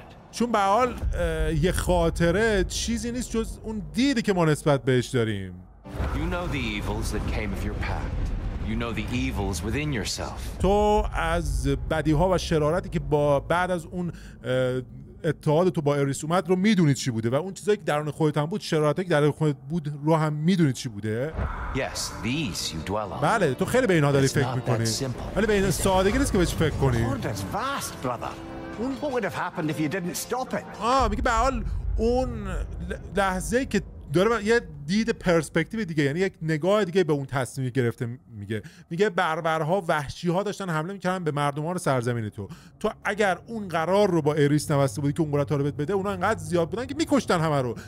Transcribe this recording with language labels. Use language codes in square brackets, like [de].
[fa] چون به حال یه خاطره چیزی نیست جز اون دیدی که ما نسبت بهش داریم. [en] You know the evils that came of your path. You know the evils within yourself. [fa] تو از بدی‌ها و شرارتی که با بعد از اون اتحاد تو با ایریس اومد رو میدونید چی بوده و اون چیزایی که درون خودت هم بود، شرارتایی که درون خودت بود رو هم میدونید چی بوده. [en] Yes, these you dwell on. [fa] بله تو خیلی به اینا داری فکر میکنی، ولی به این سادگی نیست که بهش فکر کنی. [en] Vast, what would have happened if you didn't stop it? [fa] آه میگه به حال اون لحظه‌ای که داره یه دید پرسپکتیو دیگه، یعنی یک نگاه دیگه به اون تصمیم گرفته، میگه بربرها وحشی‌ها داشتن حمله میکردن به مردمان سرزمین تو. تو اگر اون قرار رو با ایریس نبسته بودی که اون قرار طالبت بده، اونا انقدر زیاد بودن که میکشتن همه رو.